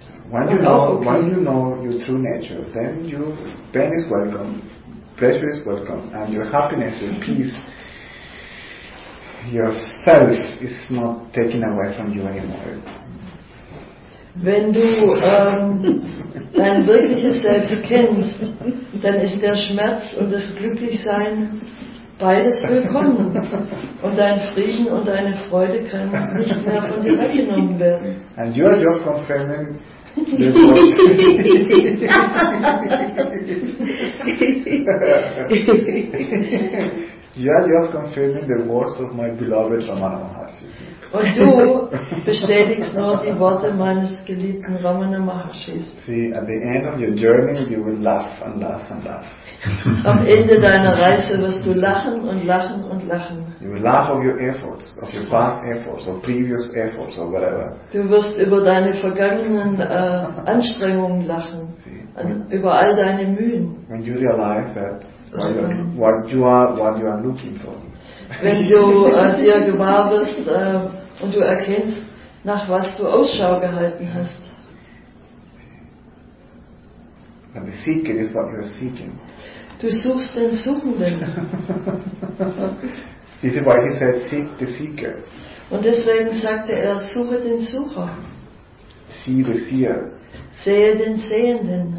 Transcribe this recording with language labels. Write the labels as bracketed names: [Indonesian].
[English] When you know your true nature, then your pain is welcome, pleasure is welcome, and your happiness and peace, yourself is not taken away from you anymore. [German] Wenn du dein wirkliches Selbst kennst, dann ist der Schmerz und das Glücklichsein beides willkommen. Und dein Frieden und deine Freude können nicht mehr von dir weggenommen werden. [English] And you are just confirming the words of my beloved Ramana Maharshi. [German] Und du bestätigst nur die Worte meines geliebten Ramana Maharshi. [English] See, at the end of your journey, you will laugh and laugh and laugh. [German] Am Ende deiner Reise wirst du lachen und lachen und lachen. [English] You will laugh of your efforts, of your past efforts, or previous efforts, or whatever. [German] Du wirst über deine vergangenen Anstrengungen lachen, über all deine Mühen. [English] When you realize that. What you are looking for. [German] Wenn du dir gewahr wirst, und du erkennst, nach was du Ausschau gehalten hast. [English] And the seeking is what you are seeking. [German] Du suchst den Suchenden. [English] This is why he said, seek the seeker. [German] Und deswegen sagte er, suche den Sucher. [English] See the seer. [German] Sehe den Sehenden.